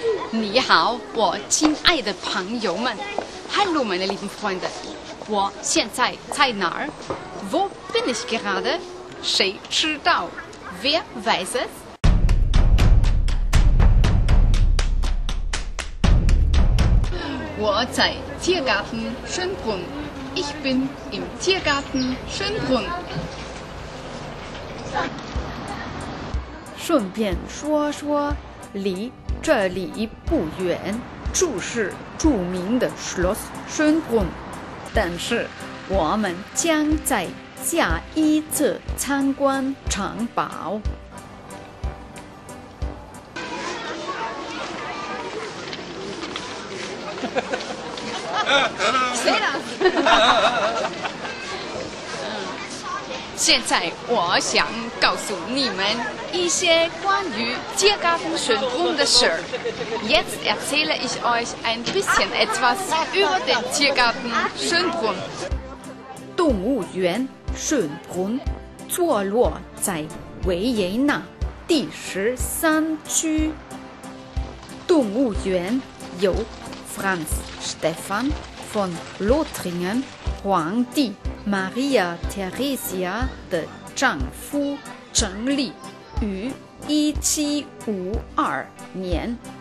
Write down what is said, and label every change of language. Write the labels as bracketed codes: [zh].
[zh] 你好，我亲爱的朋友们 ， [de] Hallo meine lieben Freunde， [zh] 我现在在哪儿 ？ [de] Wo bin ich gerade？ [zh] 谁知道 ？ [de] Wer weiß es？ [zh] 我在 Tiergarten Schönbrunn。 [de] Ich bin im Tiergarten Schönbrunn。 [zh] 顺便说说，离这里不远，就是著名的 Schloss Schönbrunn。但是，我们将在下一次参观城堡。谁了？现在我想告诉你们一些关于Tiergarten Schönbrunn的事儿。 [de] Jetzt erzähle ich euch ein bisschen etwas über den Tiergarten Schönbrunn。 [zh] 动物园顺鹏坐落在维也纳第十三区。动物园由 Franz Stephan von Lothringen 皇帝Maria Theresia 的丈夫整理于1752年，